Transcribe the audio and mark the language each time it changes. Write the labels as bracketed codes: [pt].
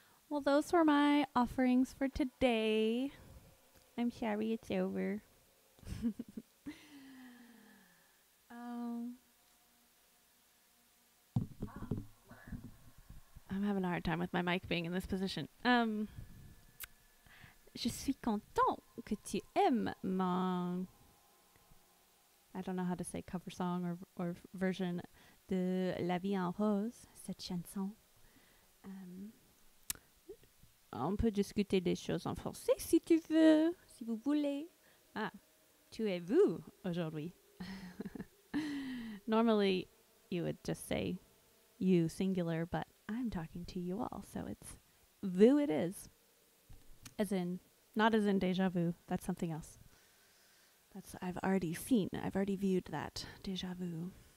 [en] Well, those were my offerings for today. I'm sorry it's over. I'm having a hard time with my mic being in this position. [fr] Je suis content que tu aimes mon... [en] I don't know how to say cover song or [fr] version de La Vie en Rose, cette chanson. On peut discuter des choses en français si tu veux, si vous voulez. Ah, tu es vous aujourd'hui. [en] Normally, you would just say you singular, but I'm talking to you all, so it's vous it is. As in... Not as in déjà vu. That's something else. That's I've already seen. I've already viewed that déjà vu.